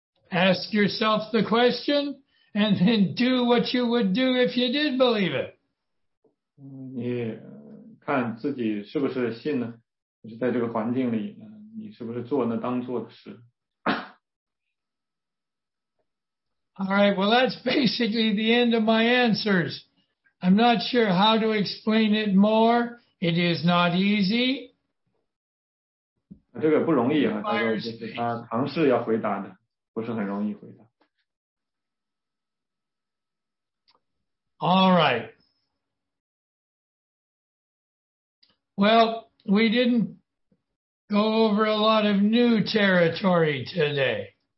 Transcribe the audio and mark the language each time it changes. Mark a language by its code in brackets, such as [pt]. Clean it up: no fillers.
[en] Ask yourself the question and then do what you would do if you did believe it. [zh] 你看自己是不是信呢？就是在这个环境里，你是不是做那当做的事？ [en] All right, well, that's basically the end of my answers. I'm not sure how to explain it more. It is not easy. [zh] 这个不容易啊，他尝试要回答的，不是很容易回答。 [en] All right. Well, we didn't go over a lot of new territory today.